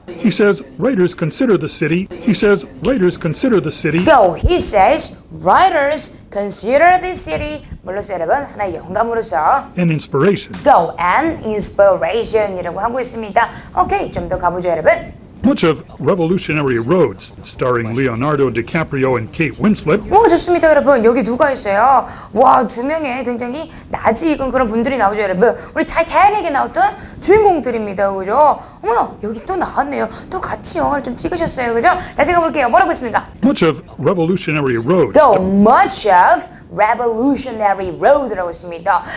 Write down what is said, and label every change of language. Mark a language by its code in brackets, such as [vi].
[en] He says writers consider the city. He says writers consider the city. Though he says writers consider the city. [ko] 물론 여러분 하나의 영감으로서 [en] An inspiration. Though an inspiration이라고 [ko] 하고 있습니다. 오케이, 좀 더 가보죠 여러분. [en] Much of Revolutionary Roads, starring Leonardo DiCaprio and Kate Winslet. [ko] 좋습니다, 여러분. 여기 누가 있어요? 와, 두 명의 굉장히 낯이 익은 그런 분들이 나오죠, 여러분. 우리 타이타닉에 나왔던 주인공들입니다, 그죠? 어머, 여기 또 나왔네요. 또 같이 영화를 좀 찍으셨어요, 그죠? 다시 가볼게요. 뭐라고 했습니까? [en] Much of Revolutionary Roads. Though much of Revolutionary Road라고 [ko] 했습니다.